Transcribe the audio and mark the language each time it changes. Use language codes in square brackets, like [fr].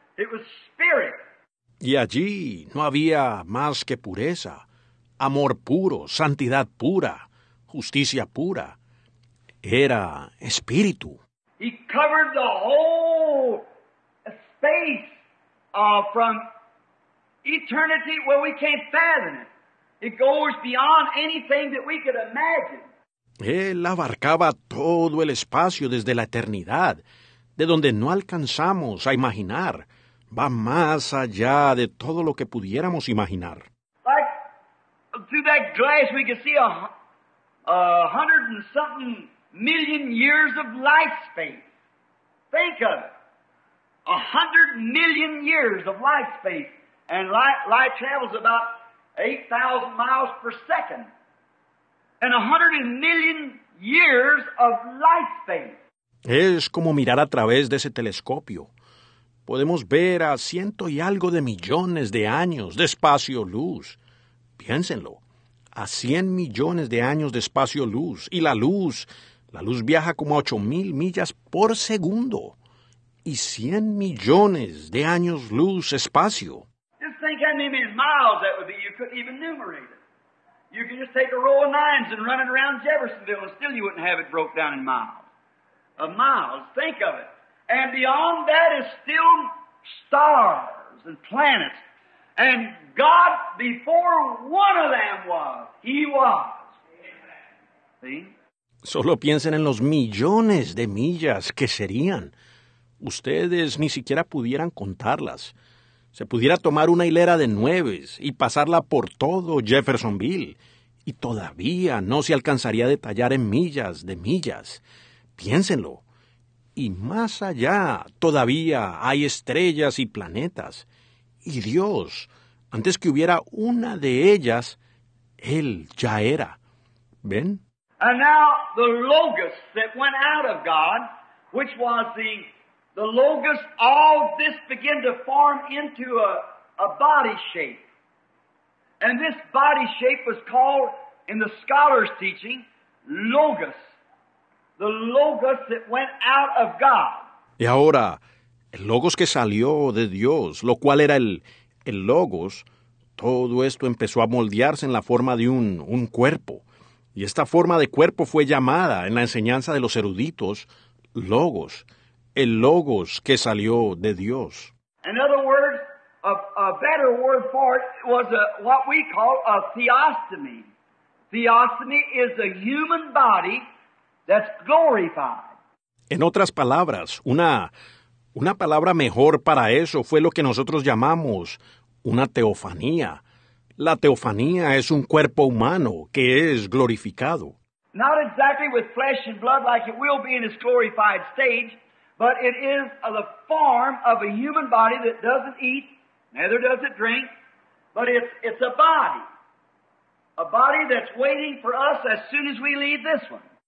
[en] It was spirit. [es] Y allí no había más que pureza, amor puro, santidad pura, justicia pura. Era espíritu. [en] He covered the whole space from eternity where we can't fathom it. It goes beyond anything that we could imagine. [es] Él abarcaba todo el espacio desde la eternidad, de donde no alcanzamos a imaginar. Va más allá de todo lo que pudiéramos imaginar. [en] Like, through that glass we could see a hundred and something million years of light span. Think of it. 100 million years of light span. And light travels about 8,000 miles per second. And 100 million years of light span. [es] Es como mirar a través de ese telescopio. Podemos ver a ciento y algo de millones de años de espacio luz. Piénsenlo, a 100 millones de años de espacio luz. Y la luz viaja como a 8,000 millas por segundo. Y 100 millones de años luz espacio. [en] Just think how many miles that would be. You couldn't even numerate it. You could just take a row of nines and run it around Jeffersonville and still you wouldn't have it broke down in miles. Of miles, think of it. And beyond that is still stars and planets. And God, before one of them was, He was. See? [es] Solo piensen en los millones de millas que serían. Ustedes ni siquiera pudieran contarlas. Se pudiera tomar una hilera de nueves y pasarla por todo Jeffersonville. Y todavía no se alcanzaría a detallar en millas de millas. Piénsenlo. Y más allá todavía hay estrellas y planetas. Y Dios, antes que hubiera una de ellas, Él ya era. ¿Ven? [en] And now the logos that went out of God, which was the logos, all this began to form into a body shape. And this body shape was called, in the scholar's teaching, logos. The logos that went out of God. [es] Y ahora, el logos que salió de Dios, lo cual era el logos, todo esto empezó a moldearse en la forma de un cuerpo. Y esta forma de cuerpo fue llamada, en la enseñanza de los eruditos, logos. El logos que salió de Dios. [en] In other words, a better word for it was what we call a theostomy. Theostomy is a human body. That's glorified. [es] En otras palabras, una palabra mejor para eso fue lo que nosotros llamamos una teofanía. La teofanía es un cuerpo humano que es glorificado. [en] Not exactly with flesh and blood like it will be in its glorified stage, but it is the form of a human body that doesn't eat, neither does it drink, but it's a body. A body that's waiting for us as soon as we leave this one.